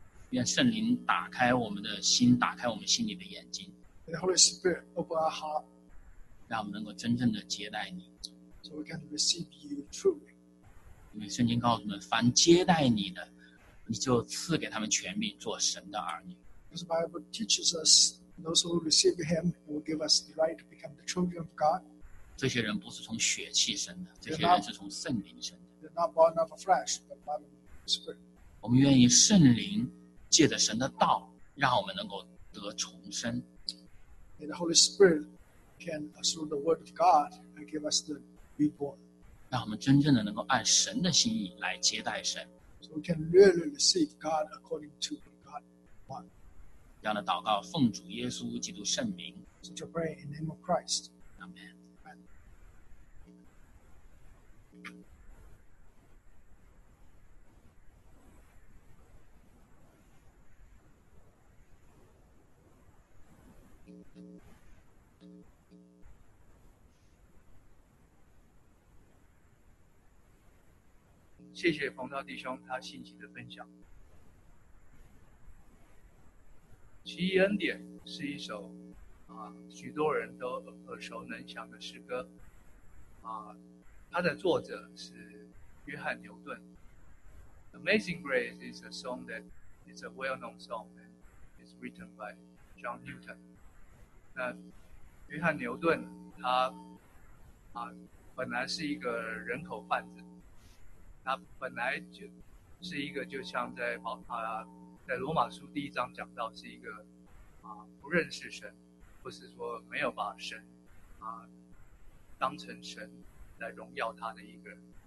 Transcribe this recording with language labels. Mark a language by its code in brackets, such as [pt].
[zh] 愿圣灵打开我们的心，打开我们心里的眼睛。 [en] May the Holy Spirit open our heart. [zh] 让我们能够真正的接待你。 [en] So we can receive you truly. [zh] 因为圣经告诉我们，凡接待你的，你就赐给他们权柄做神的儿女。 [en] This Bible teaches us those who receive Him will give us the right to become the children of God. [zh] 这些人不是从血气生的，这些人是从圣灵生的。 [en] They're not born of flesh, but by the Spirit. [zh] 我们愿意圣灵借着神的道，让我们能够得重生。 [en] May the Holy Spirit can through the Word of God and give us the reborn. [zh] 让我们真正的能够按神的心意来接待神。 [en] So we can really receive God according to what God wants. [zh] 这样的祷告奉主耶稣基督圣名。 [en] So to pray in the name of Christ. Amen. Amen. [zh] 谢谢冯道弟兄他信息的分享。奇异恩典是一首许多人都耳熟能详的诗歌。它的作者是约翰牛顿。 [en] Amazing Grace is a song that is a well-known song and is written by John Newton. [zh] 那约翰牛顿他本来是一个人口贩子。他本来就是一个就像在罗马书第一章讲到是一个不认识神，或是说没有把神当成神来荣耀他的一个人。